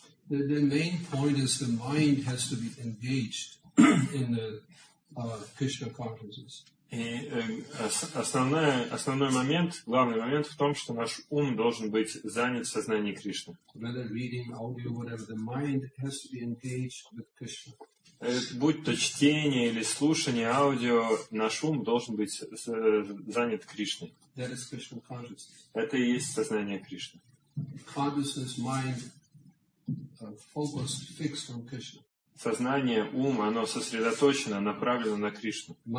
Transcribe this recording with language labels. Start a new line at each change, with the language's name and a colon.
English: The main point is the mind has to be engaged in the Krishna consciousness.
Russian: Основной момент в том, что наш ум должен быть занят в сознании Кришны.
English: Whether reading, audio, whatever, the mind has to be engaged with Krishna.
Russian: Будь то чтение или слушание, аудио, наш ум должен быть занят Кришной.
English: That is Krishna consciousness.
Russian: Это и есть сознание Кришны.
English: Consciousness, mind. Focused, fixed on Krishna.
Russian: Сознание, ум, оно сосредоточено, направлено на Кришну.